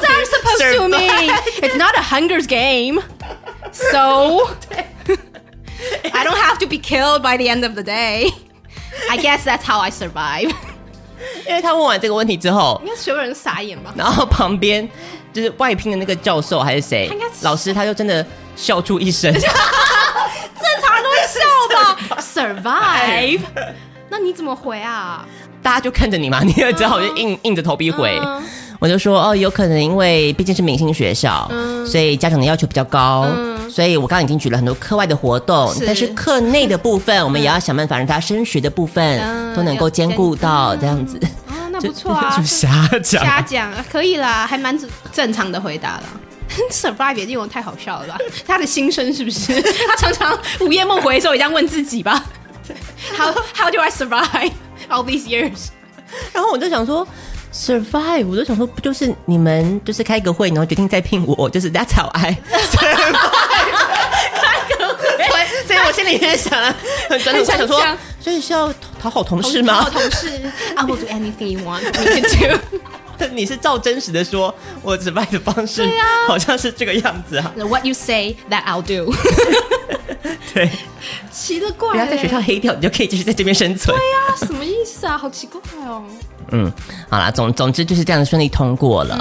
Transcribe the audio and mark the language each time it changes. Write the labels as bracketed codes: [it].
[zh] 我都在 [en] supposed to mean It's not a Hunger's game. So I don't have to be killed by the end of the day. I guess that's how I survive. [zh] 因为他问完这个问题之后，应该所有人傻眼吧？然后旁边就是外聘的那个教授还是谁，他应该老师，他就真的笑出一声。正常人都会笑吧。 Survive 那你怎么回啊？大家就看着你嘛，你也只好就硬着头皮回、我就说哦，有可能因为毕竟是明星学校、所以家长的要求比较高、所以我刚刚已经举了很多课外的活动，是但是课内的部分我们也要想办法让他升学的部分、都能够兼顾到、这样子不错啊，就瞎讲瞎讲可以啦，还蛮正常的回答啦。 Survive 也令我太好笑了吧，他的心声是不是他常常午夜梦回的时候也这样问自己吧。 [en] How do I survive all these years? [zh] 然后我就想说 Survive 我就想说不就是你们就是开个会然后决定再聘我，就是 [en] That's how I survive。 [zh] 开个会，所以我心里面想很转念一下想说，所以是要讨好同事吗？讨好同事。 [en] I will do anything you want me to do。 [zh] 你是照真实的说我 survive 的方式，对啊，好像是这个样子啊。 [en] What you say that I'll do。 [zh] 对，奇了怪，不要在学校黑掉，你就可以继续在这边生存。对啊，什么意思啊，好奇怪哦。嗯，好啦， 总之就是这样顺利通过了。